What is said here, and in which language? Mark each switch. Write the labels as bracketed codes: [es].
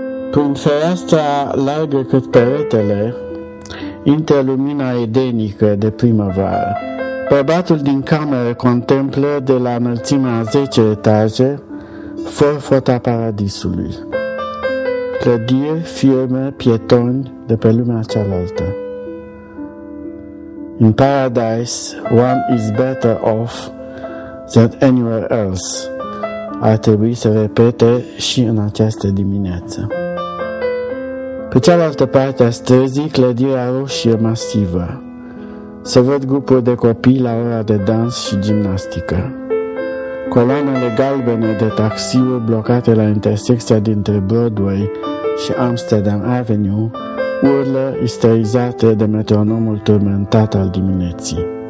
[ro] Prin fereastra largă cât peretele, intră lumina edenică de primăvară. Bărbatul din cameră contemplă de la înălțimea a 10 etaje forfota paradisului. Clădiri, firme, pietoni de pe lumea cealaltă. [en] In paradise, one is better off than anywhere else. [ro] Ar trebui să repete și în această dimineață. Pe cealaltă parte a străzii, clădirea roșie masivă. Se văd grupuri de copii la ora de dans și gimnastică. Coloanele galbene de taxiuri blocate la intersecția dintre Broadway și Amsterdam Avenue urlă isterizate de metronomul turmentat al dimineții.